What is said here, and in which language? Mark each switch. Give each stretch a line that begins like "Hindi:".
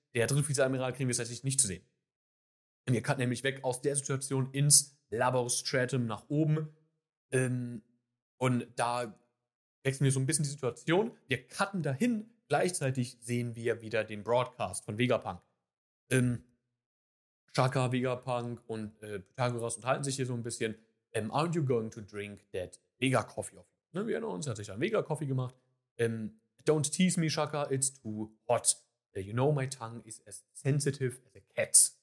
German: Der dritte Vizeadmiral kriegen wir tatsächlich nicht zu sehen. Wir cutten nämlich weg aus der Situation ins Labostratum nach oben. Und da wechseln wir so ein bisschen die Situation. Wir cutten dahin. Gleichzeitig sehen wir wieder den Broadcast von Vegapunk. Shaka, Vegapunk und Pythagoras unterhalten sich hier so ein bisschen.
English: Aren't you going to drink that Vega Coffee?
German: Ne, wir erinnern uns, er hat sich einen Vega Coffee gemacht.
English: Don't tease me, Shaka, it's too hot. You know my tongue is as sensitive as a cat.